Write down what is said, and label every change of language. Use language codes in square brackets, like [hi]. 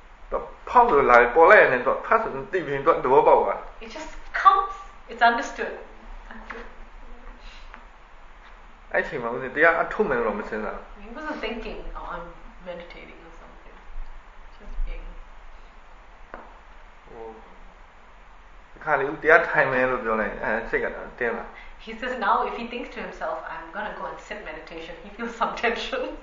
[en] The power like pour lại and then thought fast and deep in thought about what. It just comes. It's understood. I think mom said they are atonement or something. He wasn't thinking or I'm meditating or something. Just being. Oh. [my] ခါလေးဦးတရားထိုင်မယ်လို့ပြောလိုက်အဲစိတ်ကတော့တင်းလာ [en] He says now if he thinks to himself I'm going to go and sit meditation he feels some tension